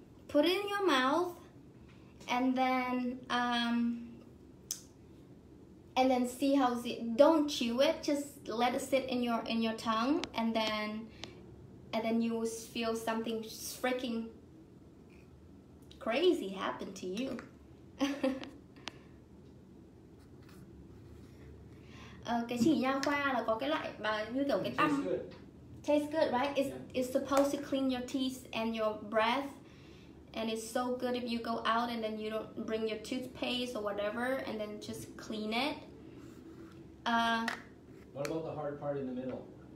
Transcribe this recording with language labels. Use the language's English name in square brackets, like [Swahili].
[English] Put it in your mouth. And then, see how it. Don't chew it. Just let it sit in your tongue. And then you will feel something freaking crazy happen to you. [Vietnamese] Cái chỉ nha khoa là có cái loại mà như kiểu cái tăm. [English] Tastes good, right? It's supposed to clean your teeth and your breath. And it's so good if you go out and then you don't bring your toothpaste or whatever and then just clean it. What about the hard part in the middle?